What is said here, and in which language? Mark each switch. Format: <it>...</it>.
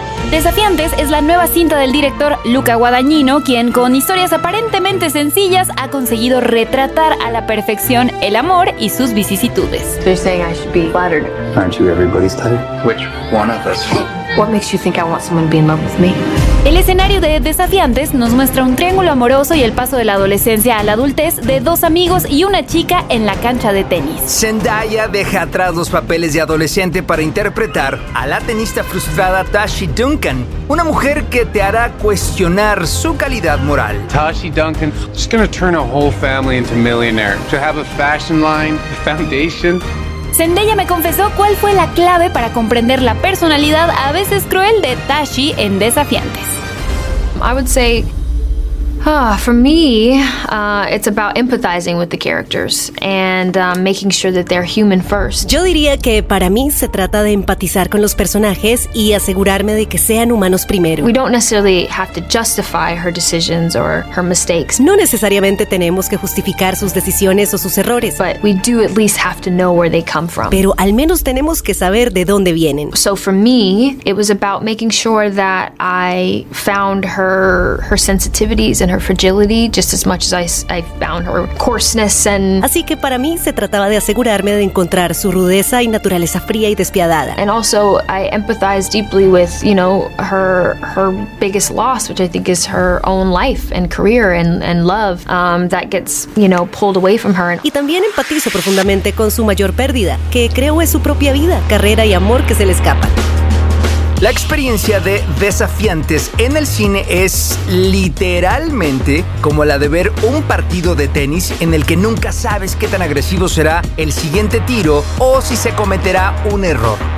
<es>Desafiantes es la nueva cinta del director Luca Guadagnino, quien con historias aparentemente sencillas ha conseguido retratar a la perfección el amor y sus vicisitudes.</es> <en>They're saying I should be flattered. Aren't you everybody's type? Which one of us? What makes you think I want someone to be in love with me?</en> <es>El escenario de Desafiantes nos muestra un triángulo amoroso y el paso de la adolescencia a la adultez de dos amigos y una chica en la cancha de tenis. Zendaya deja atrás los papeles de adolescente para interpretar a la tenista frustrada Tashi Duncan, una mujer que te hará cuestionar su calidad moral.</es> <en>Tashi Duncan, she's gonna turn a whole family into millionaire. To have a fashion line, a foundation.</en> <es>Zendaya me confesó cuál fue la clave para comprender la personalidad a veces cruel de Tashi en Desafiantes.</es> <en>I would say, for me, it's about empathizing with the characters and making sure that they're human first.</en> <es>Yo diría que para mí se trata de empatizar con los personajes y asegurarme de que sean humanos primero.</es> <en>We don't necessarily have to justify her decisions or her mistakes.</en> <es>No necesariamente tenemos que justificar sus decisiones o sus errores.</es> <en>But we do at least have to know where they come from.</en> <es>Pero al menos tenemos que saber de dónde vienen.</es> <en>So for me, it was about making sure that I found her sensitivities and her fragility just as much as I found her coarseness and...</en> <es>Así que para mí se trataba de asegurarme de encontrar su rudeza y naturaleza fría y despiadada.</es> <en>And also I empathize deeply with, you know, her biggest loss, which I think is her own life and career and love that gets, you know, pulled away from her.</en> <es>Y también empatizo profundamente con su mayor pérdida, que creo es su propia vida, carrera y amor que se le escapan. La experiencia de Desafiantes en el cine es literalmente como la de ver un partido de tenis en el que nunca sabes qué tan agresivo será el siguiente tiro o si se cometerá un error.</es>